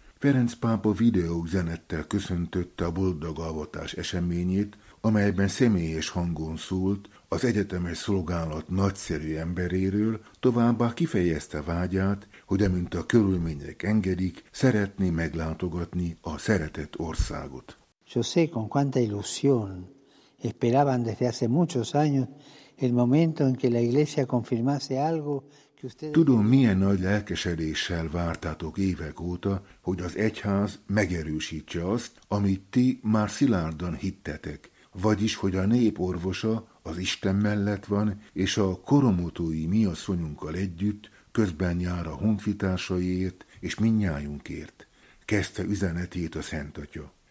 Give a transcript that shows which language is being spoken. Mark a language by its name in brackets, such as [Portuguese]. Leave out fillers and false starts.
[Hungarian] Ferenc pápa videóüzenettel köszöntötte a boldog avatás eseményét, amelyben személyes hangon szólt az egyetemes szolgálat nagyszerű emberéről, továbbá kifejezte vágyát, hogy amint a körülmények engedik, szeretné meglátogatni a szeretett országot. [Spanish] José, con cuánta ilusión esperaban desde hace muchos años el momento en que la iglesia confirmase algo. [Hungarian] Tudom, milyen nagy lelkesedéssel vártátok évek óta, hogy az egyház megerősítse azt, amit ti már szilárdan hittetek, vagyis hogy a nép orvosa az Isten mellett van, és a koromotói mi asszonyunkkal együtt közben jár a honfitársaiért és mindnyájunkért, kezdte üzenetét a Szent Atya.